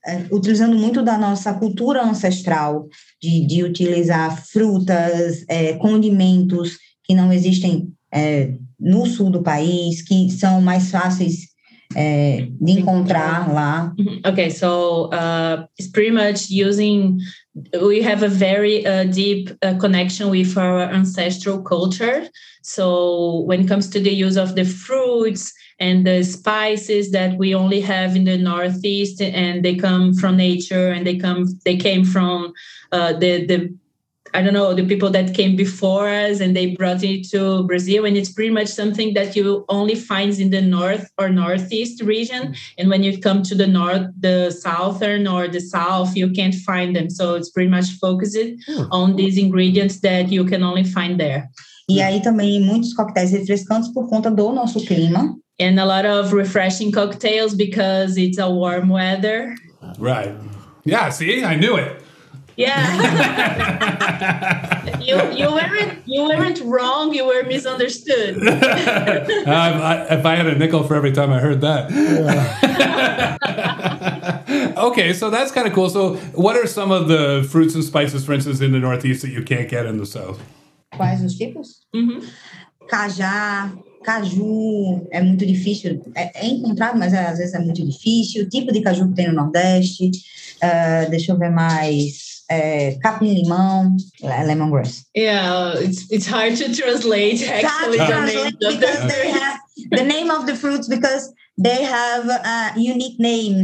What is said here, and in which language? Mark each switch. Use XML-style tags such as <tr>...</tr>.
<pt>Utilizando muito da nossa cultura ancestral de utilizar frutas, condimentos que não existem no sul do país, que são mais fáceis de encontrar lá.</pt> <en>Okay, so it's pretty much we have a very deep connection with our ancestral culture. So when it comes to the use of the fruits and the spices that we only have in the Northeast, and they come from nature, and they came from the people that came before us, and they brought it to Brazil. And it's pretty much something that you only find in the North or Northeast region. And when you come to the North, the Southern or the South, you can't find them. So it's pretty much focused on these ingredients that you can only find there.</en> <pt>E aí também muitos coquetéis refrescantes por conta do nosso clima.</pt> <en>And a lot of refreshing cocktails because it's a warm weather. Right. Yeah, see, I knew it. Yeah, you weren't wrong. You were misunderstood. If I had a nickel for every time I heard that. Yeah. Okay, so that's kind of cool. So, what are some of the fruits and spices, for instance, in the Northeast that you can't get in the South?</en> <pt>Quais os tipos? Mm-hmm. Cajá, caju. É muito difícil. É encontrado, mas às vezes é muito difícil. O tipo de caju que tem no Nordeste. Deixa eu ver mais. Capim-limão, lemongrass.</pt> <en>Yeah, it's hard to translate, actually. Hard to translate because they have the name of the fruits because they have a unique name.</en>